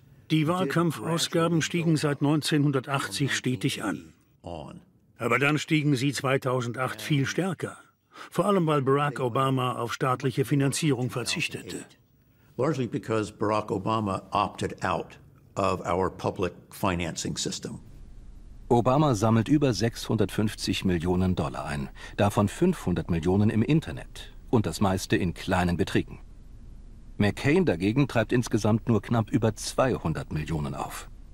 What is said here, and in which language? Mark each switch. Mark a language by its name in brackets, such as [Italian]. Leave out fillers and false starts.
[German] Die Wahlkampfausgaben stiegen seit 1980 stetig an. Aber dann stiegen sie 2008 viel stärker. Vor allem, weil Barack Obama auf staatliche Finanzierung verzichtete. [English] Largely because Barack Obama opted out of our public financing system. [German] Obama sammelt über 650 Millionen Dollar ein, davon 500 Millionen im Internet und das meiste in kleinen Beträgen. McCain dagegen treibt insgesamt nur knapp über 200 Millionen auf.